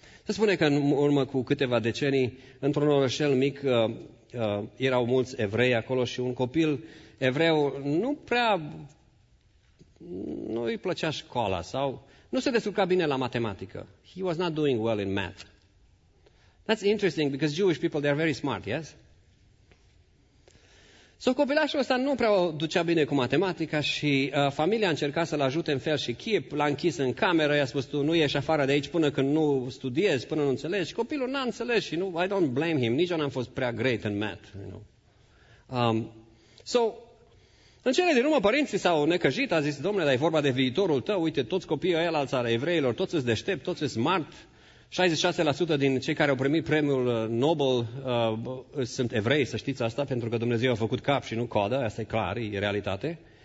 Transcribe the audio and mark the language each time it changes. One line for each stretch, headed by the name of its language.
Romanian: Se spune că în urmă cu câteva decenii, într-un orășel mic, erau mulți evrei acolo și un copil evreu nu prea, nu îi plăcea școala sau nu se descurca bine la matematică.
English: He was not doing well in math. That's interesting because Jewish people, they are very smart, yes?
Romanian: So copilașul ăsta nu prea o ducea bine cu matematica și familia a încercat să-l ajute în fel și chip, l-a închis în cameră, i-a spus, tu nu ieși afară de aici până când nu studiezi, până nu înțelegi. Copilul n-a înțeles și nu,
English: I don't blame him,
Romanian: nici eu n-am fost prea
English: great in math. You know?
Romanian: So, în cele din urmă, părinții s-au necăjit, a zis, domnule, dar e vorba de viitorul tău, uite, toți copiii ăia la țara evreilor, toți sunt deștept, toți sunt smart, 66% din cei care au primit premiul Nobel sunt evrei, să știți asta, pentru că Dumnezeu a făcut cap și nu coadă, asta e clar, e realitate.